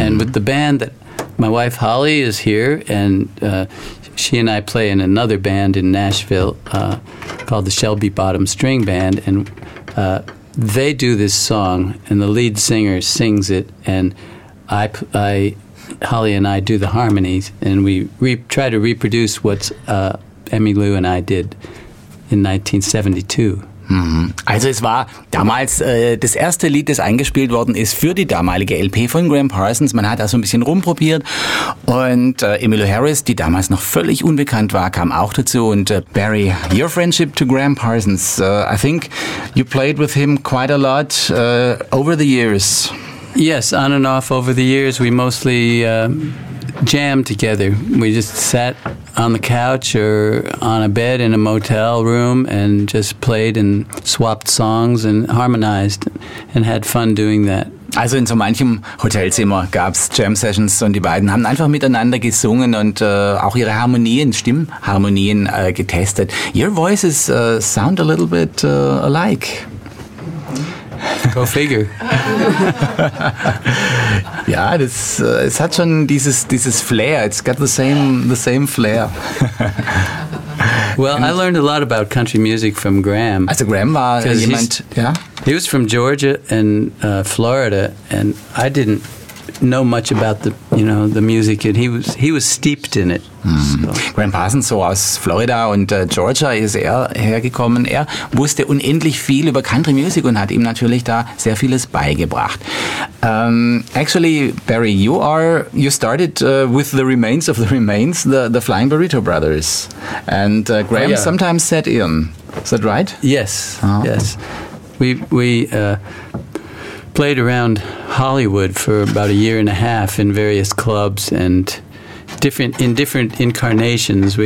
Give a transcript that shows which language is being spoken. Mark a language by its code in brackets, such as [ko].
[en] And with the band, that my wife Holly is here, and she and I play in another band in Nashville called the Shelby Bottom String Band, and they do this song, and the lead singer sings it, and I Holly and I do the harmonies, and we try to reproduce what Emmylou and I did in 1972. Mhm. [de] Also es war damals das erste Lied, das eingespielt worden ist für die damalige LP von Graham Parsons. Man hat da so ein bisschen rumprobiert und Emmylou Harris, die damals noch völlig unbekannt war, kam auch dazu. [en] Und Barry, your friendship to Graham Parsons, I think you played with him quite a lot over the years. Yes, on and off over the years, we mostly jammed together. We just sat on the couch or on a bed in a motel room and just played and swapped songs and harmonized and had fun doing that. [de] Also in so manchem Hotelzimmer gab's Jam Sessions und die beiden haben einfach miteinander gesungen und auch ihre Harmonien, Stimmharmonien getestet. [en] Your voices sound a little bit alike. Go figure. [de] Ja, das es hat schon dieses Flair. [en] It's got the same flair. Well, I learned a lot about country music from Graham. [de] Also Graham war jemand, ja. [en] He was from Georgia and Florida, and I didn't know much about the, you know, the music, and he was steeped in it. So. [de] Graham Parsons, so aus Florida und Georgia ist er hergekommen. Er wusste unendlich viel über Country Music und hat ihm natürlich da sehr vieles beigebracht. [en] Actually, Barry, you started with the remains of the remains, the Flying Burrito Brothers, and Graham sometimes sat in. Is that right? Yes. Oh. Yes. We played around Hollywood for about a year and a half in various clubs and different incarnations.